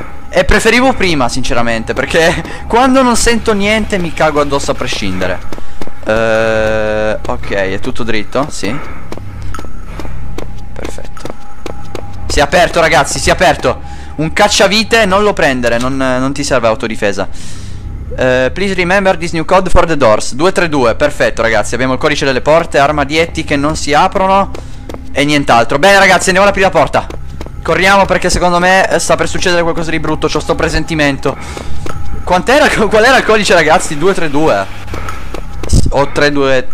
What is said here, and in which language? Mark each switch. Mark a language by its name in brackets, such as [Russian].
[Italian] E preferivo prima, sinceramente, perché quando non sento niente mi cago addosso a prescindere. Ok, è tutto dritto? Sì. Perfetto. Si è aperto, ragazzi, si è aperto. Un cacciavite, non lo prendere, non ti serve autodifesa. [English] Please remember this new code for the doors. [Italian] 232, perfetto, ragazzi. Abbiamo il codice delle porte, armadietti che non si aprono e nient'altro. Bene, ragazzi, andiamo ad aprire la porta. Corriamo, perché secondo me sta per succedere qualcosa di brutto. C'ho sto presentimento. Quant'era? Qual era il codice, ragazzi? 232. O 32.